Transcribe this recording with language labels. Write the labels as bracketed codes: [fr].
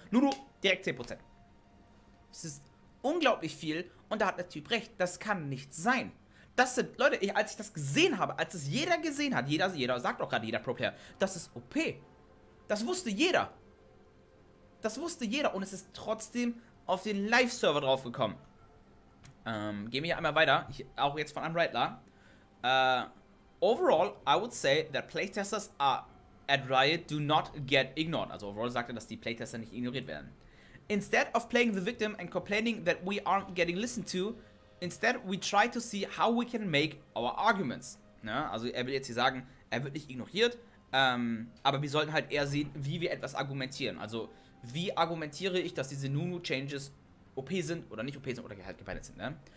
[de] Nulu, direkt 10%. Das ist unglaublich viel und da hat der Typ recht, das kann nicht sein. Das sind, Leute, als ich das gesehen habe, als es jeder gesehen hat, jeder sagt auch gerade, jeder Pro-Player, das ist OP. Das wusste jeder. Das wusste jeder und es ist trotzdem auf den Live-Server draufgekommen. Gehen wir hier einmal weiter. Auch jetzt von einem Rattler. [en] Overall, I would say that playtesters are at Riot do not get ignored. [de] Also overall sagt er, dass die Playtester nicht ignoriert werden. [en] Instead of playing the victim and complaining that we aren't getting listened to, instead we try to see how we can make our arguments. [de] Ja, also er will jetzt hier sagen, er wird nicht ignoriert. Aber wir sollten halt eher sehen, wie wir etwas argumentieren. Also wie argumentiere ich, dass diese Nunu-Changes OP sind oder nicht OP sind oder halt gebannt sind, ne?